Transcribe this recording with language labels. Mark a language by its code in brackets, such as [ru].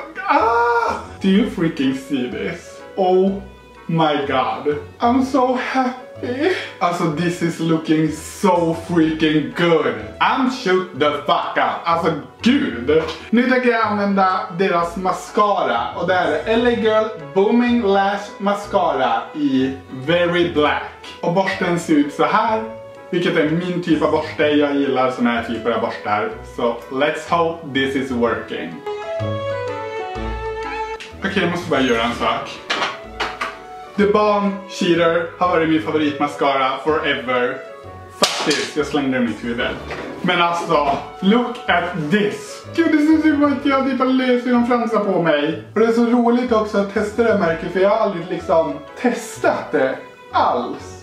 [en] Do you freaking see this? Oh my god. I'm so happy. Alltså this is looking so freaking good. I'm shook the fuck up. [sv] Alltså gud. Nu tänker jag använda deras mascara. Och det är LA Girl Booming Lash Mascara i Very Black. Och borsten ser ut så här. Vilket är min typ av borste. Jag gillar såna här typer av borstar. [en] So let's hope this is working. [sv] Okej, jag måste bara göra en sak. The Balm Cheater har varit min favoritmaskara forever. Faktiskt, jag slängde den i mitt huvud. Men alltså, [en] look at this. [sv] Gud, det syns ju på att jag typ har lösögonfransar på mig. Och det är så roligt också att testa det här märket, för jag har aldrig liksom testat det alls.